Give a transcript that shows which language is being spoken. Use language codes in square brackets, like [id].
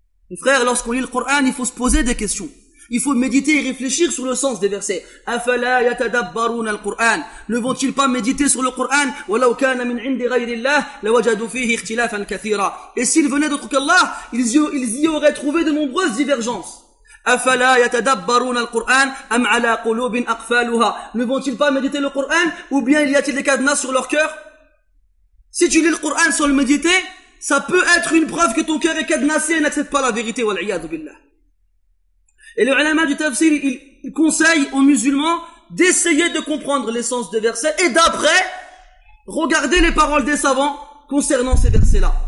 [fr] Mes frères, lorsqu'on lit le Coran, il faut se poser des questions. Il faut méditer et réfléchir sur le sens des versets. [ar] أَفَلَا يَتَدَبَّرُونَ الْقُرْآنَ. [fr] Ne vont-ils pas méditer sur le Coran? [ar] وَلَوْ كَانَ مِنْ عِنْدِ غَيْرِ اللَّهِ لَوَجَدُوا فِيهِ اخْتِلَافًا كَثِيرًا. [fr] Et s'ils venaient d'autre qu'Allah, ils y auraient trouvé de nombreuses divergences. [ar] أفلا يتدبرون القرآن أم على قلوب أقفالها. [fr] Ne vont-ils pas méditer le Coran, ou bien y a-t-il des cadenas sur leur cœur? Si tu lis le Coran sans le méditer, ça peut être une preuve que ton cœur est cadenassé et n'accepte pas la vérité. [ar] والعياذ بالله. [fr] Et le ulama du tafsir, il conseille aux musulmans d'essayer de comprendre l'essence des versets et d'après regarder les paroles des savants concernant ces versets-là.